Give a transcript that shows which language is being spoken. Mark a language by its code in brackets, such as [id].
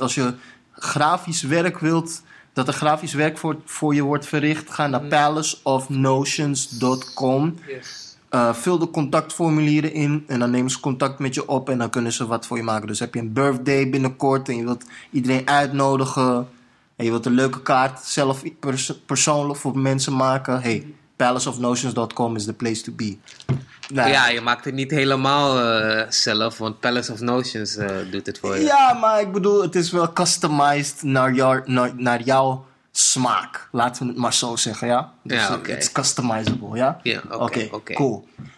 [nl] Als je grafisch werk wilt, dat er grafisch werk voor je wordt verricht, ga naar palaceofnotions.com. [en] Yes. [nl] Vul de contactformulieren in en dan nemen ze contact met je op en dan kunnen ze wat voor je maken. Dus heb je een birthday binnenkort en je wilt iedereen uitnodigen en je wilt een leuke kaart zelf persoonlijk voor mensen maken. [en] Hey, palaceofnotions.com is the place to be. [nl] Nee. Ja, je maakt het niet helemaal zelf, want Palace of Notions doet het voor je. Ja, maar ik bedoel, het is wel customized naar jouw smaak. Laten we het maar zo zeggen, ja? Dus, ja, oké. Het is customizable, ja? Ja, oké. Cool.